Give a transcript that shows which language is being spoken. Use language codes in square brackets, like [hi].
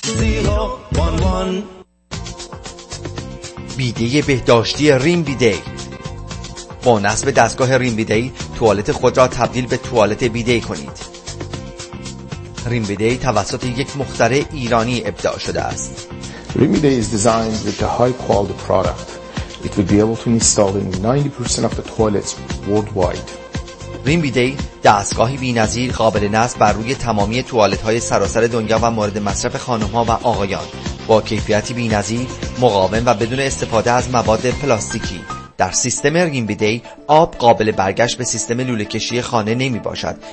[fa] زیرا وان وان بیده بهداشتی ریم بیده. با نصب دستگاه ریم بیده توالت خود را تبدیل به توالت بیده کنید. ریم بیده توسط یک مخترع ایرانی ابداع شده است. [en] ریم بیده is designed with a high quality product. It will be able to install in 90% of the toilets worldwide. [fa] ریم بیده دستگاهی بی‌نظیر قابل نصب بر روی تمامی توالت های سراسر دنیا و مورد مصرف خانم ها و آقایان، با کیفیتی بی‌نظیر، مقاوم و بدون استفاده از مواد پلاستیکی. در سیستم ریم بیدی آب قابل برگشت به سیستم لوله کشی خانه نمی باشد.